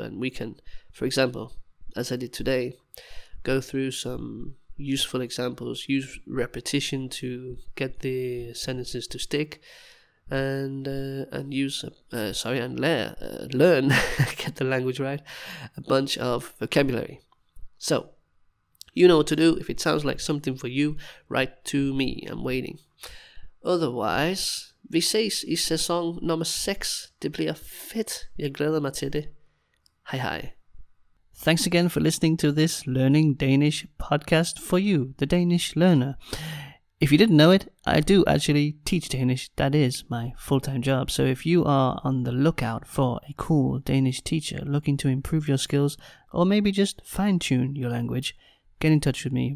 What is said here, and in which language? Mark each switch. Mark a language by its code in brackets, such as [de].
[en] And we can, for example, as I did today, go through some useful examples, use repetition to get the sentences to stick, and learn, get the language right, a bunch of vocabulary. So, you know what to do. If it sounds like something for you, write to me. I'm waiting. Otherwise, [da] vi ses I sæson nummer 6. Det bliver fedt. Jeg glæder mig til det. Hej hej. [en] Thanks again for listening to this Learning Danish podcast for you, the Danish learner. If you didn't know it, I do actually teach Danish. That is my full-time job. So if you are on the lookout for a cool Danish teacher looking to improve your skills or maybe just fine-tune your language, get in touch with me.